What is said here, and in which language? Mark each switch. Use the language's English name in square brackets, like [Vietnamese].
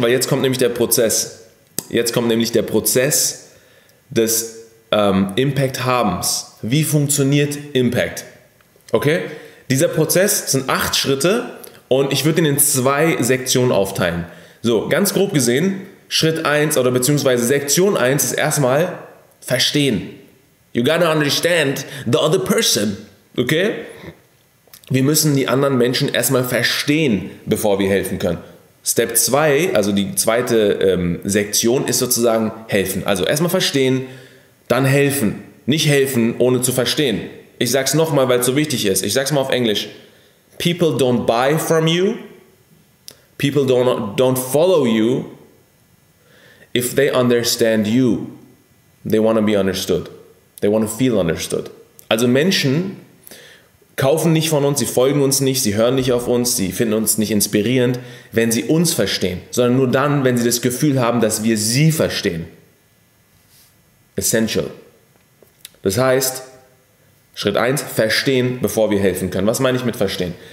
[German] Weil jetzt kommt nämlich der Prozess. Jetzt kommt nämlich der Prozess des Impact-Habens. Wie funktioniert Impact? Okay? Dieser Prozess sind 8 Schritte und ich würde ihn in 2 Sektionen aufteilen. So, ganz grob gesehen, Schritt 1 oder beziehungsweise Sektion 1 ist erstmal verstehen. [English] You gotta understand the other person. Okay? [German] Wir müssen die anderen Menschen erstmal verstehen, bevor wir helfen können. [English] Step 2, [German] also die zweite Sektion, ist sozusagen helfen. Also erstmal verstehen, dann helfen. Nicht helfen, ohne zu verstehen. Ich sag's nochmal, weil es so wichtig ist. Ich sag's mal auf Englisch. [English] People don't buy from you. People don't follow you. If they understand you, they want to be understood. They want to feel understood. [German] Also Menschen kaufen nicht von uns, sie folgen uns nicht, sie hören nicht auf uns, sie finden uns nicht inspirierend, wenn sie uns verstehen, sondern nur dann, wenn sie das Gefühl haben, dass wir sie verstehen. Essential. Das heißt, Schritt 1, verstehen, bevor wir helfen können. Was meine ich mit verstehen?